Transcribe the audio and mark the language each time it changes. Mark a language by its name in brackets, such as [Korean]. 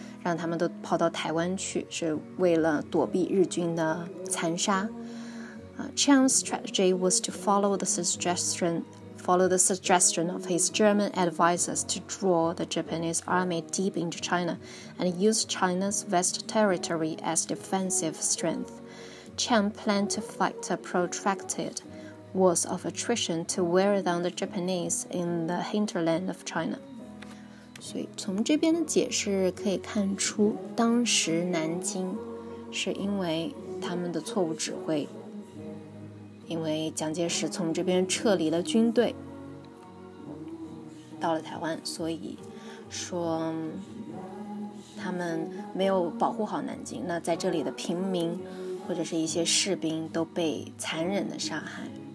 [Chinese] 让他们都跑到台湾去，是为了躲避日军的残杀。 [English] Chiang's strategy was to follow the suggestion of his German advisors to draw the Japanese army deep into China and use China's vast territory as defensive strength. Chiang planned to fight a protracted wars of attrition to wear down the Japanese in the hinterland of China. [Chinese] 所以从这边的解释可以看出，当时南京是因为他们的错误指挥，因为蒋介石从这边撤离了军队到了台湾，所以说他们没有保护好南京，那在这里的平民或者是一些士兵都被残忍的杀害。